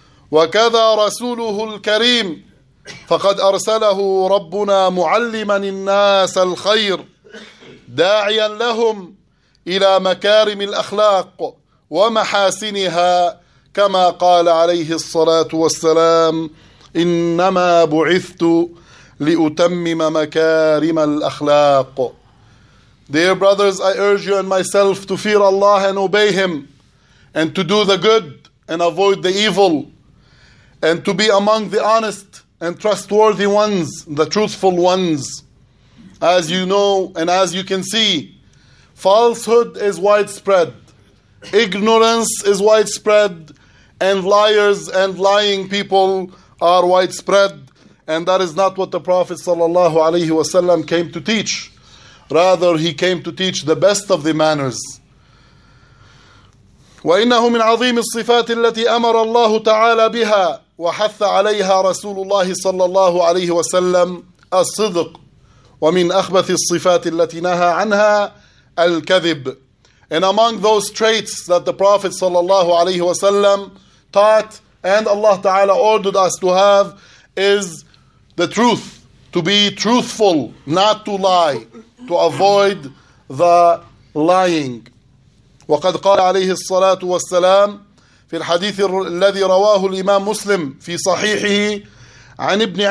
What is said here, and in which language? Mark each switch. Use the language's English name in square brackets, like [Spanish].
[Arabic] وكذا رسوله الكريم، فقد أرسله ربنا معلما الناس الخير، داعيا لهم إلى مكارم الأخلاق ومحاسنها، كما قال عليه الصلاة والسلام: إنما بعثت لأتمم مكارم الأخلاق. [English] Dear brothers, I urge you and myself to fear Allah and obey Him, and to do the good and avoid the evil, and to be among the honest and trustworthy ones, the truthful ones. As you know and as you can see, falsehood is widespread, ignorance is widespread, and liars and lying people are widespread. And that is not what the Prophet sallallahu alaihi wasallam came to teach. Rather, he came to teach the best of the manners. [Arabic] وإنه من عظيم الصفات التي أمر الله تعالى بها وحث عليها رسول الله صلى الله عليه وسلم الصدق، ومن أخبث الصفات التي نهى عنها الكذب. [English] And among those traits that the Prophet sallallahu alaihi wasallam taught and Allah ta'ala ordered us to have is the truth, to be truthful, not to lie, to avoid the lying. [Arabic] وقد قال عليه الصلاة والسلام في الحديث الذي رواه الإمام مسلم في صحيحه عن